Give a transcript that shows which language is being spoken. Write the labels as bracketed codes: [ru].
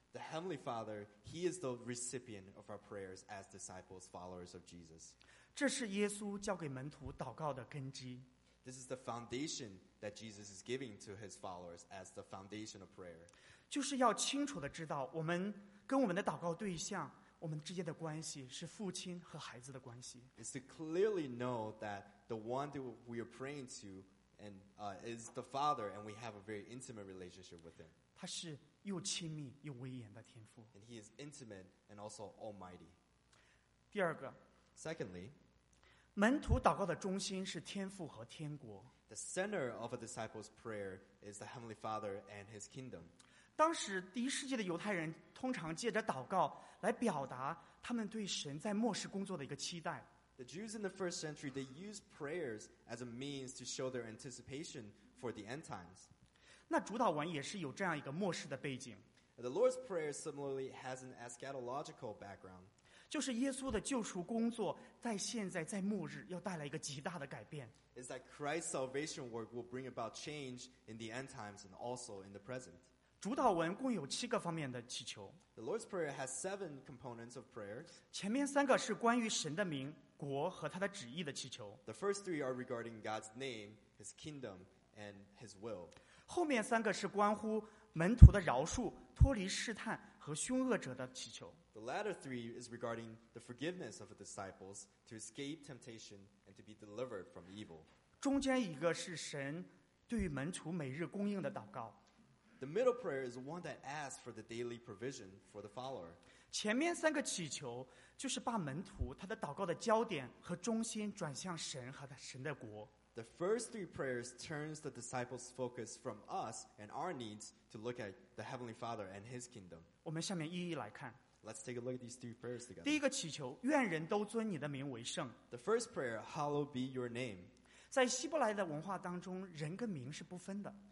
[en] The Heavenly Father, he is the recipient of our prayers as disciples, followers of Jesus. [zh] 这是耶稣教给门徒祷告的根基。 [en] This is the foundation that Jesus is giving to his followers as the foundation of prayer. [zh] 就是要清楚地知道我们跟我们的祷告对象我们之间的关系是父亲和孩子的关系。 [en] It's to clearly know that the one that we are praying to and, is the Father and we have a very intimate relationship with him. [zh] 他是又亲密又威严的天父。 [en] And he is intimate and also almighty. [zh] 第二个。 [en] Secondly, [zh] 门徒祷告的中心是天父和天国。 [en] The center of a disciple's prayer is the Heavenly Father and His kingdom. [zh] 当时第一世纪的犹太人通常借着祷告来表达他们对神在末世工作的一个期待。 [en] The Jews in the first century, they used prayers as a means to show their anticipation for the end times. [zh] 那主祷文也是有这样一个末世的背景。 [en] The Lord's Prayer similarly has an eschatological background. [zh] 就是耶稣的救赎工作在现在在末日要带来一个极大的改变。 [en] Is that Christ's salvation work will bring about change in the end times and also in the present. [zh] 主祷文共有七个方面的祈求。 [en] The Lord's Prayer has seven components of prayer. [zh] 前面三个是关于神的名、国和他的旨意的祈求。 [en] The first three are regarding God's name, His kingdom, and His will. [zh] 后面三个是关乎门徒的饶恕、脱离试探和凶恶者的祈求。 [en] The latter three is regarding the forgiveness of the disciples to escape temptation and to be delivered from evil. [zh] 中间一个是神对于门徒每日供应的祷告。 [en] The middle prayer is one that asks for the daily provision for the follower. [zh] 前面三个祈求就是把门徒他的祷告的焦点和中心转向神和神的国。 [en] The first three prayers turns the disciples' focus from us and our needs to look at the Heavenly Father and His kingdom. [zh] 我们下面一一来看。 [en] Let's take a look at these three prayers together. [zh] 第一个祈求，愿人都尊你的名为圣。 [en] The first prayer, hallowed be your name. [zh] 在希伯来的文化当中，人跟名是不分的。